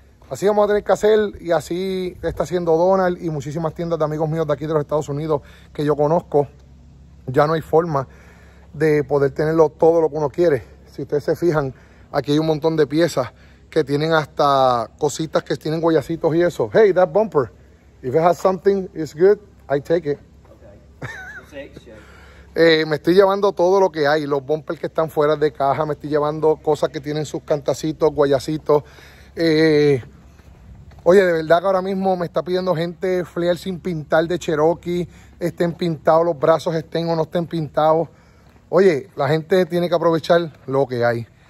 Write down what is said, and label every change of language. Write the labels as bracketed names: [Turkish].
[Spanish] Así vamos a tener que hacer, y así está haciendo Donald y muchísimas tiendas de amigos míos de aquí de los Estados Unidos que yo conozco. Ya no hay forma de poder tenerlo todo lo que uno quiere. Si ustedes se fijan, aquí hay un montón de piezas que tienen hasta cositas que tienen guayacitos y eso. [English] Hey, that bumper. If it has something, it's good. I take it. Okay. [Spanish] me estoy llevando todo lo que hay. Los bumpers que están fuera de caja. Me estoy llevando cosas que tienen sus cantacitos, guayacitos. Oye, de verdad que ahora mismo me está pidiendo gente flair sin pintar de Cherokee. Estén pintados los brazos, estén o no estén pintados. Oye, la gente tiene que aprovechar lo que hay.